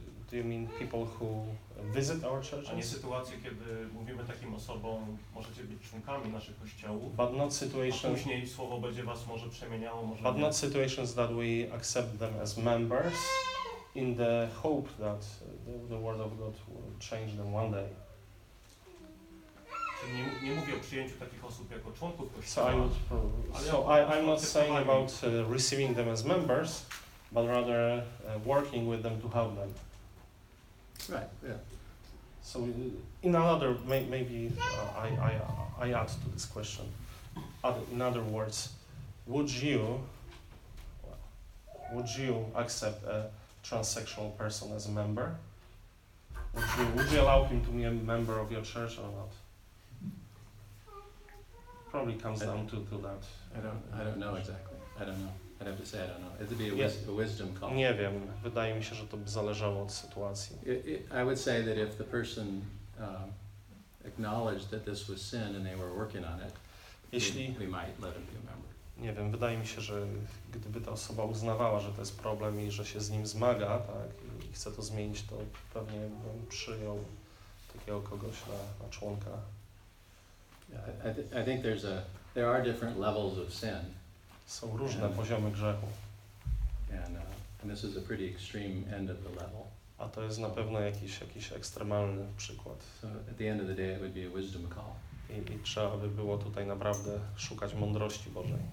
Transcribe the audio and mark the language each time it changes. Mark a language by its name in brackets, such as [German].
[English] Do you mean people who visit our churches? [Polish] A nie sytuacje, kiedy mówimy takim osobom, możecie być członkami naszych kościołów. [English] But not situations. [Polish] A później Słowo będzie was może przemieniało, może. [English] But [Polish] nie. [English] Not situations that we accept them as members in the hope that the Word of God will change them one day. [Polish] Czyli nie mówię o przyjęciu takich osób jako członków kościoła. [English] So I'm not saying about receiving them as members, but rather working with them to help them. Right. Yeah. So, in another, maybe I add to this question. In other words, would you accept a transsexual person as a member? Would you allow him to be a member of your church or not? Probably comes down to that. I don't know exactly. I don't know. I'd have to say I don't know. It'd be a wisdom call. [Polish] Nie wiem. Wydaje mi się, że to by zależało od sytuacji. [English] I would say that if the person acknowledged that this was sin and they were working on it, we might let him be a member. [Polish] Nie wiem. Wydaje mi się, że gdyby ta osoba uznawała, że to jest problem i że się z nim zmaga, tak, i chce to zmienić, to pewnie bym przyjął takiego kogoś na członka. [English] I think there are different levels of sin. [Polish] Są różne poziomy grzechu. [English] And this is a pretty extreme end of the level. [Polish] A to jest na pewno jakiś ekstremalny przykład. [English] So at the end of the day it would be a wisdom call. [Polish] I trzeba by było tutaj naprawdę szukać mądrości Bożej.